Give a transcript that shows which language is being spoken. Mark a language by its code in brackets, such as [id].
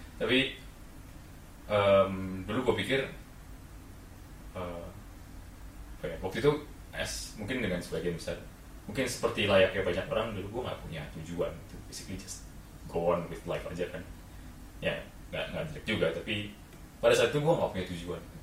[id] Tapi dulu gue pikir waktu itu mungkin dengan sebagian besar, mungkin seperti layaknya banyak orang, dulu gue gak punya tujuan gitu. [en] Basically just go on with life aja kan. [id] Ya, gak jelek juga. Tapi pada saat itu gue gak punya tujuan.